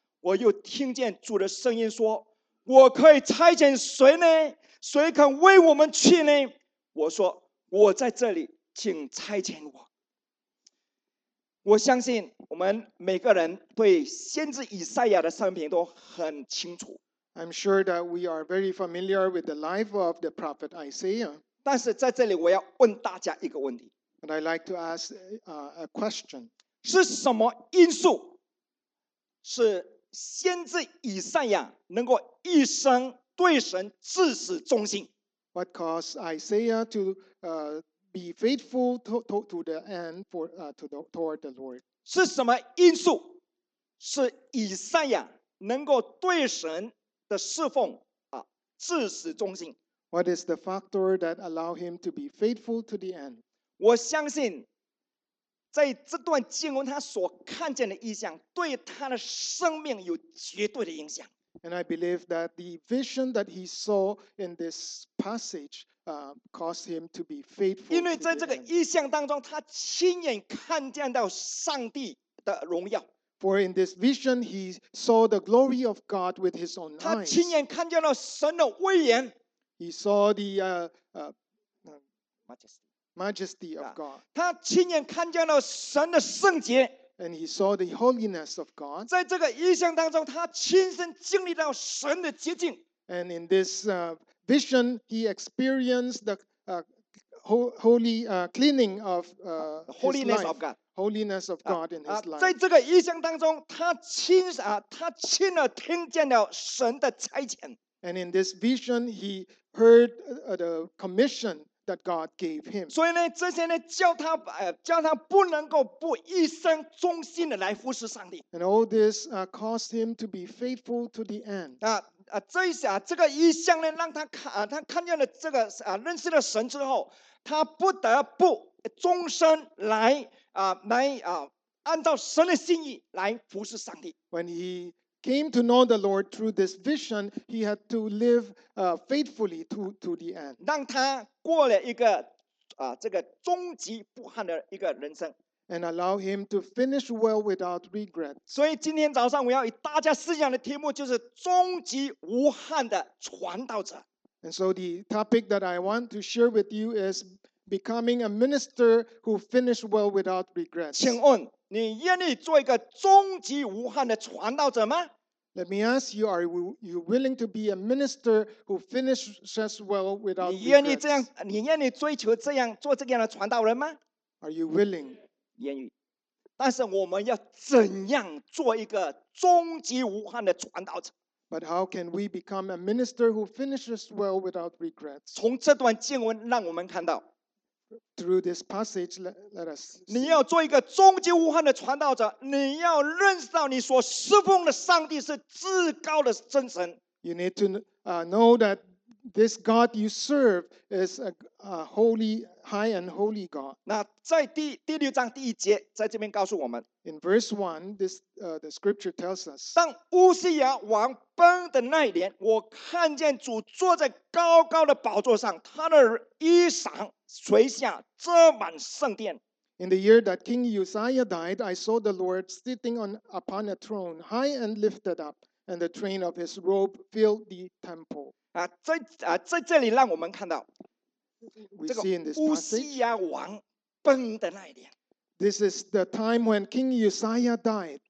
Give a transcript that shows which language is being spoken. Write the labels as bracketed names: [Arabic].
[Chinese] 我又听见主的声音说：我可以差遣谁呢？谁肯为我们去呢？我说：我在这里，请差遣我。我相信我们每个人对先知以赛亚的生平都很清楚。 [English] I'm sure that we are very familiar with the life of the prophet Isaiah. [Chinese] 但是在这里我要问大家一个问题。 [English] And I'd like to ask a question. [Chinese] 是什么因素是先知以赛亚能够一生对神至死忠心。 [English] What caused Isaiah to be faithful to the end for toward the Lord? [Chinese] 是什么因素是以赛亚能够对神的侍奉至死忠心 [English] ？What is the factor that allow him to be faithful to the end? [Chinese] 我相信。在这段经文，他所看见的异象对他的生命有绝对的影响。 [English] And I believe that the vision that he saw in this passage caused him to be faithful. [Chinese] 因为在这个异象当中，他亲眼看见到上帝的荣耀。 [English] For in this vision, he saw the glory of God with his own eyes. [Chinese] 他亲眼看见了神的威严。 [English] He saw the majesty of God. [Chinese] 他亲眼看见了神的圣洁。 [English] And he saw the holiness of God. [Chinese] 在这个异象当中，他亲身经历到神的洁净。 [English] And in this vision, he experienced the cleaning of holiness of God. Holiness of God in his life. [Chinese] 在这个异象当中，他亲耳听见了神的差遣。 [English] And in this vision, he heard the commission that God gave him. [Chinese] 所以呢，这些呢，叫他不能够不一生忠心的来服侍上帝。 [English] And all this caused him to be faithful to the end. [Chinese] 这个异象呢，让他看见了这个认识了神之后，他不得不终身来按照神的心意来服侍上帝。 [English] When he came to know the Lord through this vision, he had to live faithfully to the end. [Chinese] 让他过了一个这个终极不憾的一个人生。 [English] And allow him to finish well without regret. [Chinese] 所以今天早上我要与大家思想的题目就是终极无憾的传道者。 [English] And so the topic that I want to share with you is becoming a minister who finished well without regret. [Chinese] 请问你愿意做一个终极无憾的传道者吗？ [English] Let me ask you, are you willing to be a minister who finishes well without regret? [Chinese] 你愿意追求这样做这样的传道人吗？ [English] Are you willing? [Chinese] 愿意。但是我们要怎样做一个终极无憾的传道者？ [English] But how can we become a minister who finishes well without regret? [Chinese] 从这段经文让我们看到。 [English] Through this passage, let us. [Chinese] 你要做一个终极无憾的传道者，你要认识到你所侍奉的上帝是至高的真神。 [English] You need to know that this God you serve is a holy, high and holy God. [Chinese] 那在第六章第一节，在这边告诉我们。 [English] In verse one, this the scripture tells us. [Chinese] 当乌西亚王崩的那一年，我看见主坐在高高的宝座上，他的衣裳。 [English] In the year that King Uzziah died, I saw the Lord sitting upon a throne, high and lifted up, and the train of his robe filled the temple. [Chinese] 在这里让我们看到 [English] we see in this passage, this is the time when King Uzziah died.